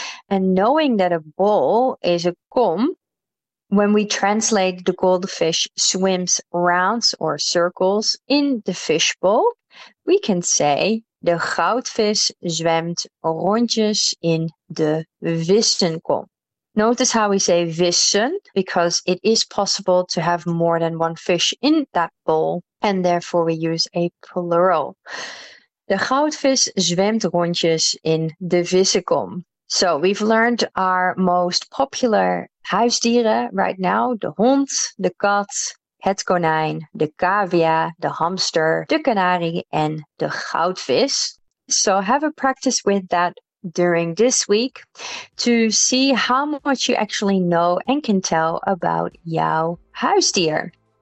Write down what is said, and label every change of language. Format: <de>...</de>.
<en>And knowing that a ball is a kom, when we translate the goldfish swims rounds or circles in the fishbowl, we can say</en> <nl>de goudvis zwemt rondjes in de vissenkom.</nl> <en>Notice how we say vissen, because it is possible to have more than one fish in that bowl, and therefore we use a plural.</en> <nl>De goudvis zwemt rondjes in de vissenkom.</nl> <en>So we've learned our most popular huisdieren right now.</en> <nl>De hond, de kat, het konijn, de cavia, de hamster, de kanarie en de goudvis.</nl> <en>So have a practice with that during this week to see how much you actually know and can tell about</en> <nl>jouw huisdier.</nl>